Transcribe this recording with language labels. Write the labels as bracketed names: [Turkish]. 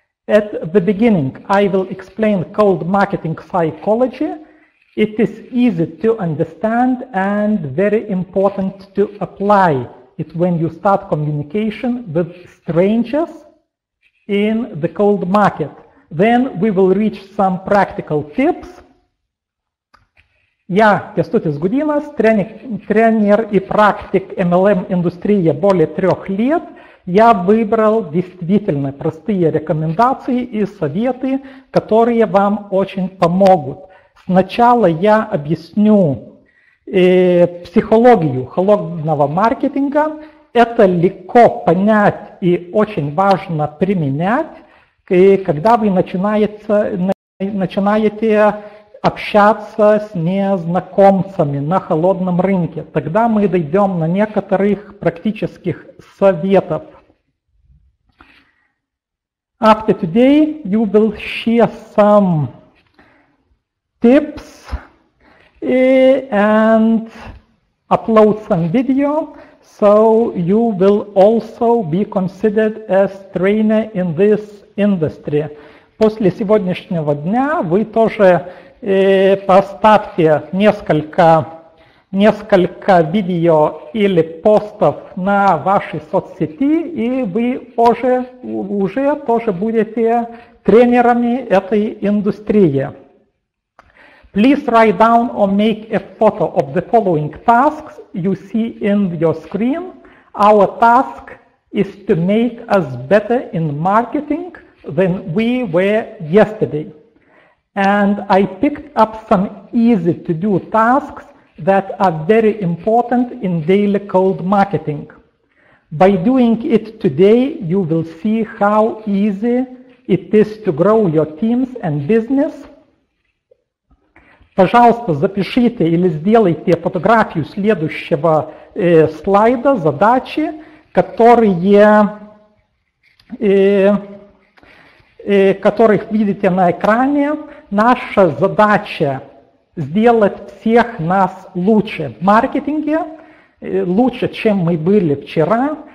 [English] At the beginning, I will explain cold marketing psychology. It is easy to understand and very important to apply it when you start communication with strangers in the cold market. Then we will reach some practical tips. [Russian] Я Кестутис Гудинас, тренер и практик MLM индустрии более 3 лет. Я выбрал действительно простые рекомендации и советы, которые вам очень помогут. Сначала я объясню психологию холодного маркетинга. Это легко понять и очень важно применять. И когда вы начинаете общаться с незнакомцами на холодном рынке, тогда мы дойдем на некоторых практических советов. [English] After today, you will share some tips and upload some video, so you will also be considered as trainer in this industry. [Russian] После сегодняшнего дня вы тоже поставьте несколько видео или постов на вашей соцсети, и вы уже тоже будете тренерами этой индустрии. [English] Please write down or make a photo of the following tasks you see in your screen. Our task is to make us better in marketing than we were yesterday. And I picked up some easy to do tasks that are very important in daily cold marketing. By doing it today, you will see how easy it is to grow your teams and business. [Russian] Пожалуйста, запишите или сделайте фотографию следующего слайда, задачи, которых видите на экране. Наша задача сделать всех нас лучше в маркетинге, лучше, чем мы были вчера.